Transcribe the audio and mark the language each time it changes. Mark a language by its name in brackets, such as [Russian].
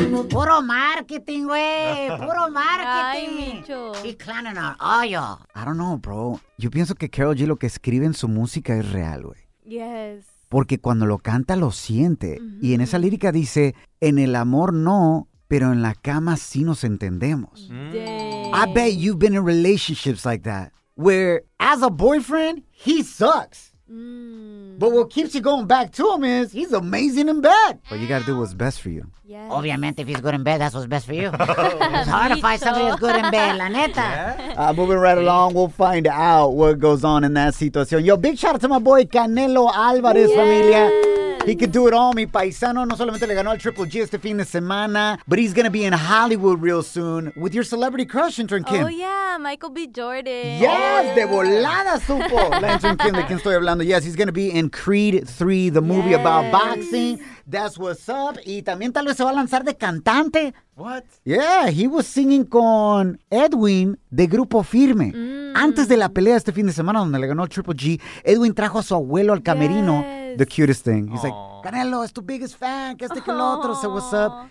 [Spanish] Puro marketing, güey. Puro marketing. Ay, y clan en our oil. [English] I don't know, bro. [Spanish] Yo pienso que Carol G lo que escribe en su música es real, güey. [English] Yes. [Spanish] Porque cuando lo canta, lo siente. Mm-hmm. Y en esa lírica dice, en el amor no, pero en la cama sí nos entendemos. [English] Dang. I bet you've been in relationships like that, where as a boyfriend, he sucks. But what keeps you going back to him is he's amazing in bed. But you gotta do what's best for you. Yes. [Spanish] Obviamente, [English] if he's good in bed, that's what's best for you. It's hard to find somebody that's good in bed, [Spanish] la neta. [English] Yeah. Moving right along, we'll find out what goes on in that situation. Yo, big shout out to my boy Canelo Alvarez, yes. [Spanish] Familia. [English] He could do it all, [Spanish] mi paisano. No solamente le ganó al Triple G este fin de semana, [English] but he's going to be in Hollywood real soon with your celebrity crush, Intern Kim. Oh, yeah, Michael B. Jordan. Yes, [Spanish] de volada supo. Intern Kim, de quien estoy hablando. [English] Yes, he's going to be in Creed 3, the movie yes. about boxing. That's what's up. [Spanish] Y también tal vez se va a lanzar de cantante. [English] What? Yeah, he was singing con Edwin de Grupo Firme. Mm. [Spanish] Antes de la pelea este fin de semana donde le ganó el Triple G, Edwin trajo a su abuelo al camerino. [English] Yes. The cutest thing. He's aww. Like, Canelo, it's [Spanish] tu [English] biggest fan. [Spanish] Que este que el otro. [English] Say, what's up?